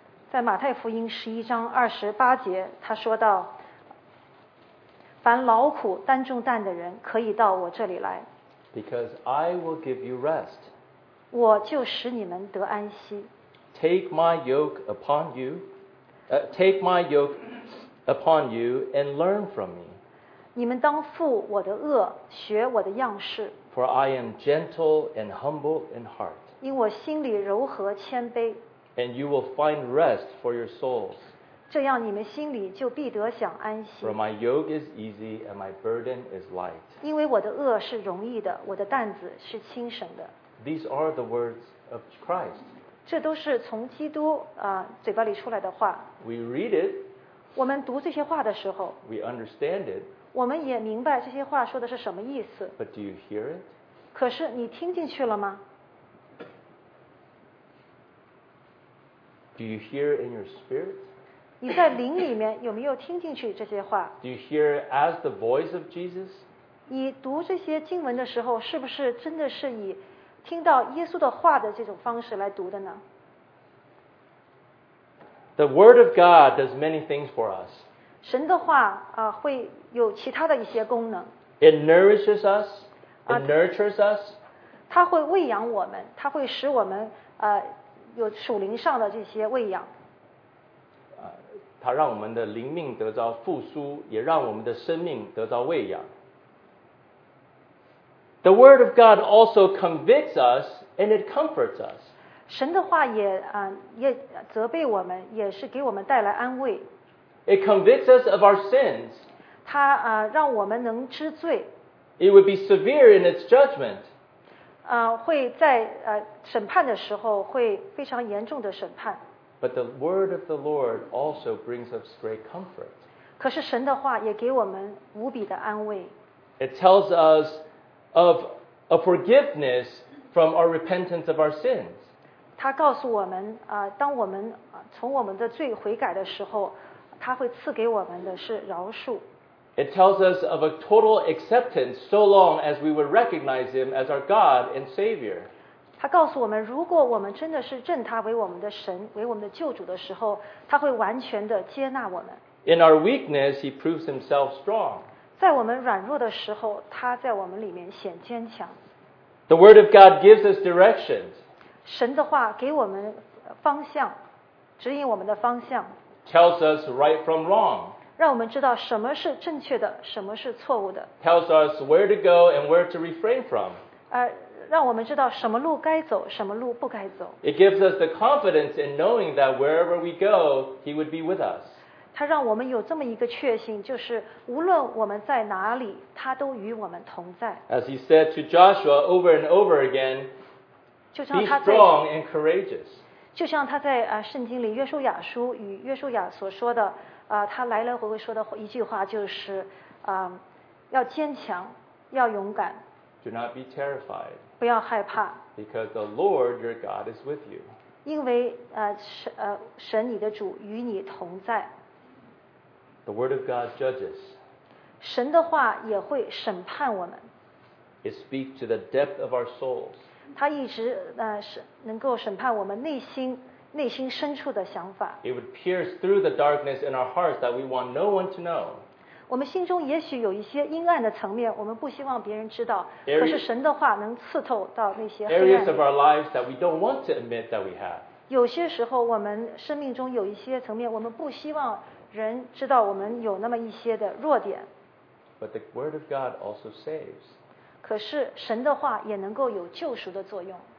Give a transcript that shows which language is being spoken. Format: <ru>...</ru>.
<zh>在马太福音十一章二十八节，他说到：“凡劳苦担重担的人，可以到我这里来。”</zh> <en>Because I will give you rest.</en> <zh>我就使你们得安息。</zh> <en>take my yoke upon you, take my yoke upon you and learn from me.</en> <zh>你们当负我的轭，学我的样式。</zh> <en>For I am gentle and humble in heart.</en> <zh>因我心里柔和谦卑。</zh> <en>And you will find rest for your souls.</en> <zh>这样你们心里就必得享安息。</zh> <en>For my yoke is easy and my burden is light.</en> <zh>因为我的轭是容易的，我的担子是轻省的。</zh> <en>These are the words of Christ.</en> <zh>这都是从基督嘴巴里出来的话。</zh> <en>We read it.</en> <zh>我们读这些话的时候。</zh> <en>We understand it.</en> <zh>我们也明白这些话说的是什么意思。</zh> <en>But do you hear it?</en> <zh>可是你听进去了吗？</zh> <en>Do you hear in your spirit?</en> <zh>你在灵里面有没有听进去这些话？</zh> <en>Do you hear as the voice of Jesus?</en> <zh>你读这些经文的时候，是不是真的是以听到耶稣的话的这种方式来读的呢？</zh> <en>The word of God does many things for us.</en> <zh>神的话会有其他的一些功能。</zh> <en>It nourishes us. It nurtures us.</en> <zh>它会喂养我们，它会使我们有属灵上的这些喂养，它让我们的灵命得到复苏，也让我们的生命得到喂养。</zh> <en>The word of God also convicts us and it comforts us.</en> <zh>神的话也责备我们，也是给我们带来安慰。</zh> <en>It convicts us of our sins.</en> <zh>它让我们能知罪。</zh> <en>It would be severe in its judgment.</en> <zh>会在审判的时候会非常严重的审判。</zh> <en>But the word of the Lord also brings us great comfort.</en> <zh>可是神的话也给我们无比的安慰。</zh> <en>It tells us of a forgiveness from our repentance of our sins.</en> <zh>他告诉我们当我们从我们的罪悔改的时候，他会赐给我们的是饶恕。</zh> <en>It tells us of a total acceptance so long as we would recognize him as our God and Savior.</en> <zh>他告诉我们，如果我们真的是认他为我们的神，为我们的救主的时候，他会完全的接纳我们。</zh> <en>In our weakness, he proves himself strong.</en> <zh>在我们软弱的时候，他在我们里面显坚强。</zh> <en>The word of God gives us directions.</en> <zh>神的话给我们方向，指引我们的方向。</zh> <en>Tells us right from wrong.</en> <zh>让我们知道什么是正确的，什么是错误的。</zh> <en>Tells us where to go and where to refrain from.</en> <zh>让我们知道什么路该走，什么路不该走。</zh> <en>It gives us the confidence in knowing that wherever we go, He would be with us.</en> <zh>它让我们有这么一个确信，就是无论我们在哪里，他都与我们同在。</zh> <en>As He said to Joshua over and over again,</en> <zh>就像他在</zh> <en>be strong and courageous.</en> <zh>就像他在圣经里约书亚书与约书亚所说的。他来来回回说的一句话就是要坚强，要勇敢。</zh> <en>Do not be terrified.</en> <zh>不要害怕。</zh> <en>Because the Lord your God is with you.</en> <zh>因为神你的主与你同在。</zh> <en>The word of God judges.</en> <zh>神的话也会审判我们。</zh> <en>It speaks to the depth of our souls.</en> <zh>他一直能够审判我们内心。内心深处的想法。</zh> <en>It would pierce through the darkness in our hearts that we want no one to know.</en> <zh>我们心中也许有一些阴暗的层面，我们不希望别人知道。可是神的话能刺透到那些黑暗里。</zh> <en>Areas of our lives that we don't want to admit that we have.</en> <zh>有些时候，我们生命中有一些层面，我们不希望人知道我们有那么一些的弱点。</zh> <en>But the word of God also saves.</en> <zh>可是神的话也能够有救赎的作用。</zh>